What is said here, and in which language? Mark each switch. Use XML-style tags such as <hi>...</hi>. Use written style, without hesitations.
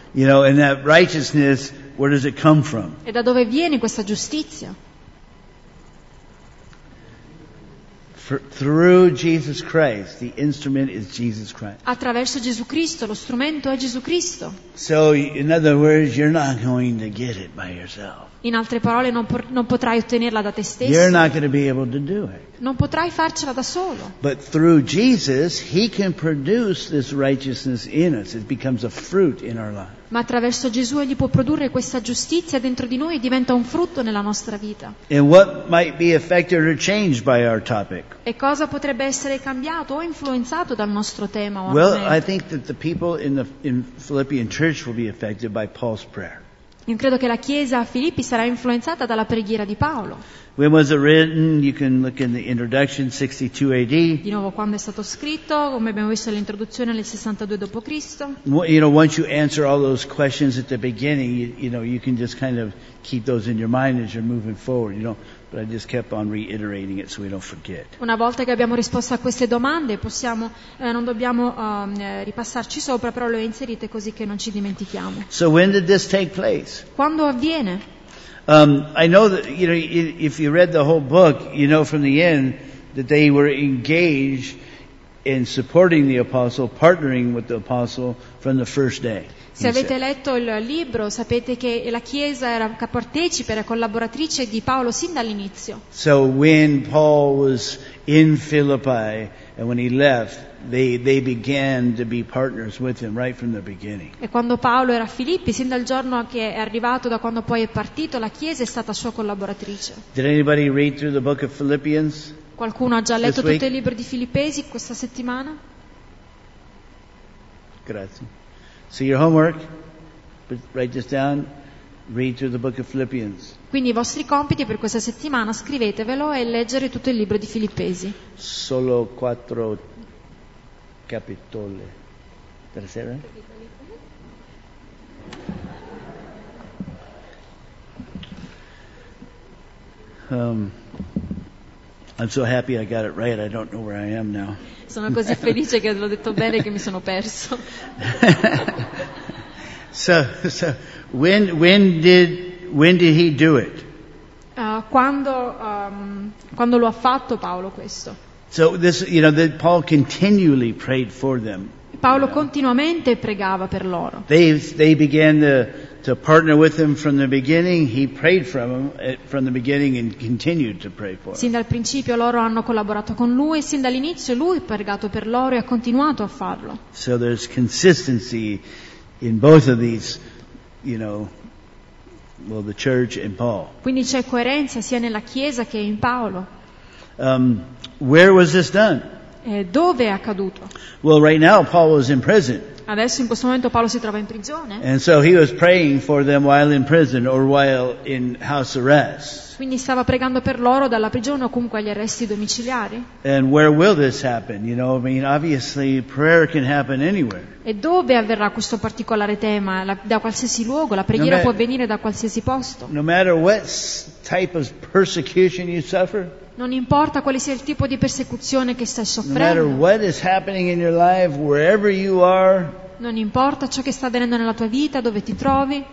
<en>You know, and that righteousness, where does it come from?</en> <it>E da dove viene questa giustizia?</it> <en>Through Jesus Christ, the instrument is Jesus Christ.</en> <it>Attraverso Gesù Cristo, lo strumento è Gesù Cristo.</it> <en>So, in other words, you're not going to get it by yourself.</en> <it>In altre parole, non potrai ottenerla da te stesso.</it> <en>You're not going to be able to do it.</en> <it>Non potrai farcela da solo.</it> <en>But through Jesus, He can produce this righteousness in us. It becomes a fruit in our life.</en> <it>Ma attraverso Gesù Egli può produrre questa giustizia dentro di noi e diventa un frutto nella nostra vita.</it> <en>And what might be affected or changed by our topic?</en> <it>E cosa potrebbe essere cambiato o influenzato dal nostro tema?</it> <en>Well, I think that the people in Philippian church will be affected by Paul's prayer.</en> <it>Io credo che la chiesa a Filippi sarà influenzata dalla preghiera di Paolo.</it> <en>When was it written? You can look in the introduction, 62 AD.</en> <it>Di nuovo, quando è stato scritto, come abbiamo visto all'introduzione, nel 62 dopo Cristo.</it> <en>You know, once you answer all those questions at the beginning, you know, you can just kind of keep those in your mind as you're moving forward, you know. But I just kept on reiterating it so we don't forget.</en> <it>Una volta che abbiamo risposto a queste domande, ripassarci sopra, però le ho inserite così che non ci dimentichiamo.</it> <en>So when did this take place?</en> <it>Quando avviene?</it> <en>I know that, you know, if you read the whole book, you know from the end that they were engaged in supporting the apostle, partnering with the apostle from the first day.</en> <it>Se avete letto il libro, sapete che la Chiesa era partecipe, era collaboratrice di Paolo sin dall'inizio.</it> <en>So when Paul was in Philippi and when he left, they began to be partners with him right from the beginning.</en> <it>E quando Paolo era a Filippi, sin dal giorno che è arrivato, da quando poi è partito, la Chiesa è stata sua collaboratrice.</it> <en>Did anybody read through the book of Philippians?</en> <it>Qualcuno ha già letto tutto il libro di Filippesi questa settimana? Grazie.</it> <en>So your homework, write this down, read through the book of Philippians.</en> <it>Quindi i vostri compiti per questa settimana, scrivetevelo e leggere tutto il libro di Filippesi. Solo 4 capitoli. Tercera?</it> <en>I'm so happy I got it right. I don't know where I am now.</en> <it>Sono così felice che l'ho detto bene che mi sono perso.</it> <en>So when did he do it?</en> <it>Quando lo ha fatto Paolo questo?</it> <en>So this, you know, that Paul continually prayed for them.</en> <it>Paolo continuamente pregava per loro.</it> <en>They began to partner with him from the beginning. He prayed for him from the beginning and continued to pray for him.</en> <it>Sin dal principio loro hanno collaborato con lui, sin dall'inizio lui ha pregato per loro e ha continuato a farlo.</it> <en>So there's consistency in both of these, you know, Well, the church and Paul.</en> <it>Quindi c'è coerenza sia nella Chiesa che in Paolo.</it> <en>Where was this done?</en> <it>Dove è accaduto?</it> <en>Well, right now Paul was in prison.</en> <it>Adesso in questo momento Paolo si trova in prigione.</it> <en>And so he was praying for them while in prison or while in house arrest.</en> <it>Quindi stava pregando per loro dalla prigione o comunque agli arresti domiciliari.</it> <en>And where will this happen? You know, I mean, obviously prayer can happen anywhere.</en> <it>E dove avverrà questo particolare tema? Da qualsiasi luogo, la preghiera può avvenire da qualsiasi posto.</it> <en>No matter what type of persecution you suffer.</en> <it>Non importa quale sia il tipo di persecuzione che stai soffrendo. Non importa ciò che sta avvenendo nella tua vita, dove ti trovi.</it>